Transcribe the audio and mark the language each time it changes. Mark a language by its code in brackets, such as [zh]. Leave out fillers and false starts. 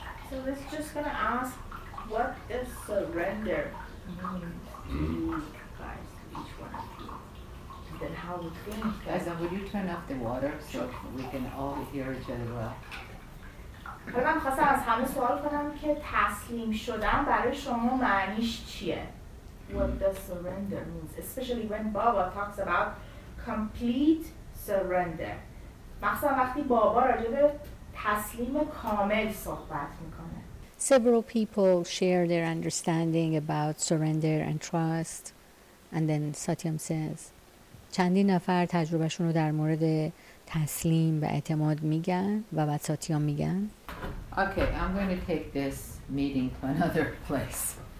[en] So let's just gonna ask, what does surrender mean to guys, to each one of you? And then how we finish. Guys, would you turn off the water so we can all hear each other well? [fa] حالا من خواستم از همه سوال کنم که تسلیم شدن برای شما معنیش چیه؟ [en] What does surrender means? Especially when Baba talks about complete surrender. [fa] مخصوصا وقتی بابا راجع به تسلیم کامل صحبت میکنه. [en] Several people share their understanding about surrender and trust. And then Satyam says, [fa] چندی نفر تجربهشون رو در مورد تسلیم و اعتماد میگن و بعد ساتیام میگن. [en] Okay, I'm going to take this meeting to another place.